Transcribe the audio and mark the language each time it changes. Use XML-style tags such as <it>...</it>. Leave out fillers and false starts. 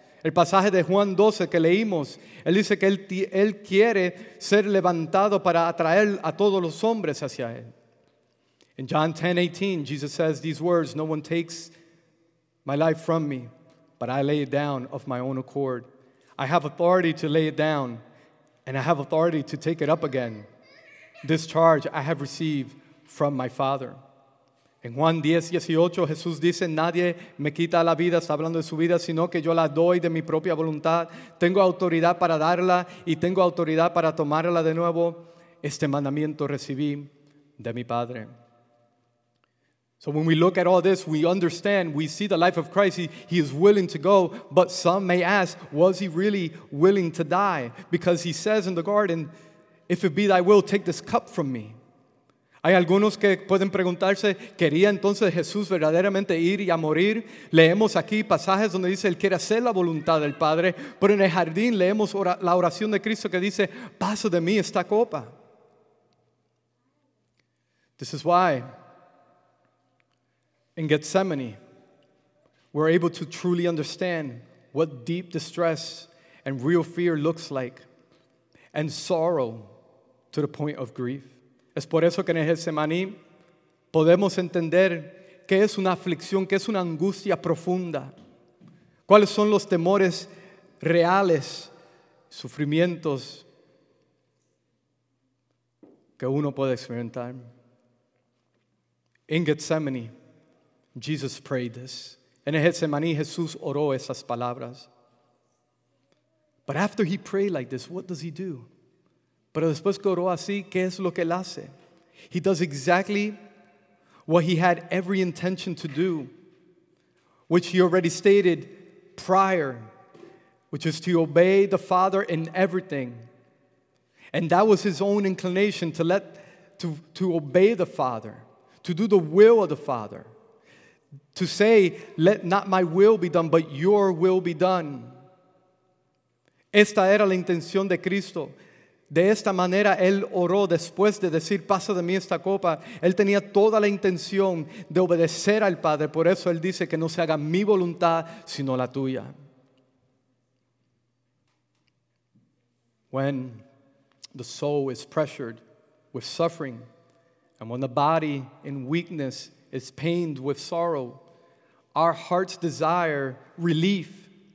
<es>El pasaje de Juan 12 que leímos, él dice que él quiere ser levantado para atraer a todos los hombres hacia él.</es> <en>In John 10:18, Jesus says these words, "No one takes my life from me, but I lay it down of my own accord. I have authority to lay it down, and I have authority to take it up again. This charge I have received from my Father."</en> <es>En Juan 10, 18, Jesús dice, nadie me quita la vida, está hablando de su vida, sino que yo la doy de mi propia voluntad. Tengo autoridad para darla y tengo autoridad para tomarla de nuevo. Este mandamiento recibí de mi Padre.</es> <en>So when we look at all this, we understand, we see the life of Christ, he is willing to go, but some may ask, was he really willing to die? Because he says in the garden, if it be thy will, take this cup from me.</en> <es>Hay algunos que pueden preguntarse, ¿quería entonces Jesús verdaderamente ir y a morir? Leemos aquí pasajes donde dice, él quiere hacer la voluntad del Padre, pero en el jardín leemos la oración de Cristo que dice, pasa de mí esta copa.</es> <en>This is why, in Gethsemane, we're able to truly understand what deep distress and real fear looks like, and sorrow to the point of grief.</en> <es>Es por eso que en Getsemaní podemos entender qué es una aflicción, qué es una angustia profunda, cuáles son los temores reales, sufrimientos que uno puede experimentar.</es> <en>In Getsemaní, Jesus prayed this.</en> <es>En Getsemaní, Jesús oró esas palabras.</es> <en>But after he prayed like this, what does he do?</en> <es>Pero después que oró así, ¿qué es lo que él hace?</es> <en>He does exactly what he had every intention to do, which he already stated prior, which is to obey the Father in everything. And that was his own inclination, to obey the Father, to do the will of the Father, to say, let not my will be done, but your will be done.</en> <es>Esta era la intención de Cristo. De esta manera, él oró después de decir, pasa de mí esta copa. Él tenía toda la intención de obedecer al Padre. Por eso él dice que no se haga mi voluntad, sino la tuya.</es> <en>When the soul is pressured with suffering, and when the body in weakness is pained with sorrow, our hearts desire relief.</en>